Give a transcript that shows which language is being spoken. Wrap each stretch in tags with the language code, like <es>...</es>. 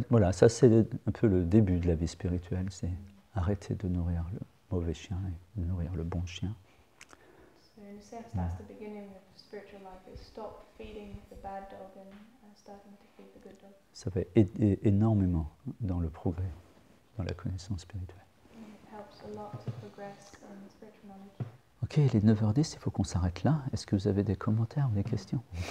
<fr>Ça c'est un peu le début de la vie spirituelle, c'est arrêter de nourrir le mauvais chien et de nourrir le bon chien.</fr> <en>So in a sense, that's the beginning of spiritual life, is stop feeding the bad dog and starting to feed the good dog.</en> <fr>Ça fait aider énormément dans le progrès, dans la connaissance spirituelle.</fr> <en>It helps a lot to progress in spiritual knowledge.</en> <fr>Ok, il est 9h10, il faut qu'on s'arrête là. Est-ce que vous avez des commentaires ou des questions?</fr>